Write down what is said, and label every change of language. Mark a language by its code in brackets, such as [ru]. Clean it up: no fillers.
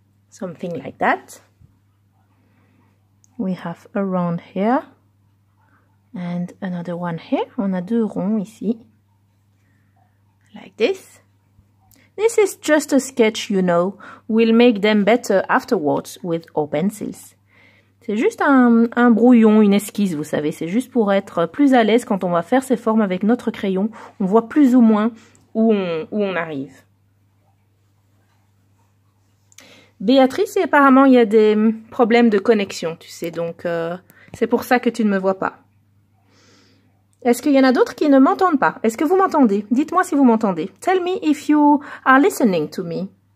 [en] Something like that. We have a round here and another one here. [fr] On a deux ronds ici. [en] Like this. This is just a sketch, you know. We'll make them better afterwards with our pencils. [fr] C'est juste un brouillon, une esquisse, vous savez. C'est juste pour être plus à l'aise quand on va faire ces formes avec notre crayon. On voit plus ou moins où on arrive. Béatrice, apparemment, il y a des problèmes de connexion, tu sais, donc c'est pour ça que tu ne me vois pas. Est-ce qu'il y en a d'autres qui ne m'entendent pas? Est-ce que vous m'entendez? Dites-moi si vous m'entendez. [en] Tell me if you are listening to me.